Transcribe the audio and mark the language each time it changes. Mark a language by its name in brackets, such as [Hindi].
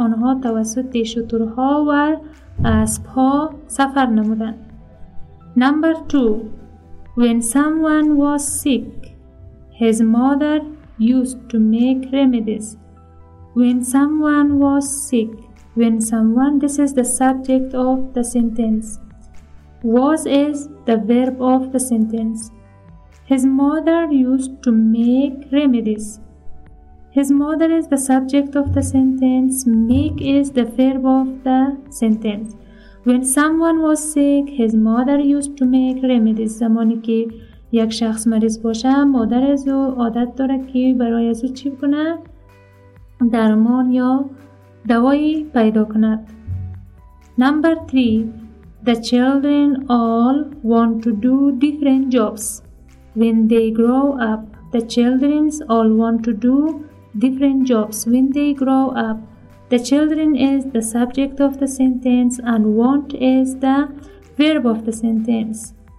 [Persian] آنها توسط شتورها و اسب ها سفر نمودن. [English] Number 2. When someone was sick, his mother used to make remedies. When someone, this is the subject of the sentence. Was is the verb of the sentence. His mother used to make remedies. His mother is the subject of the sentence. Make is the verb of the sentence. When someone was sick, his mother used to make remedies. [Persian] زمانی که یک شخص مریض باشه، مادر از او عادت داره که برای از او چی کنه؟ درمان یا دوایی پیدا کند. [English] Number 3. The children all want to do different jobs. When they grow up, the children all want to do different jobs. When they grow up, the children is the subject of the sentence and want is the verb of the sentence.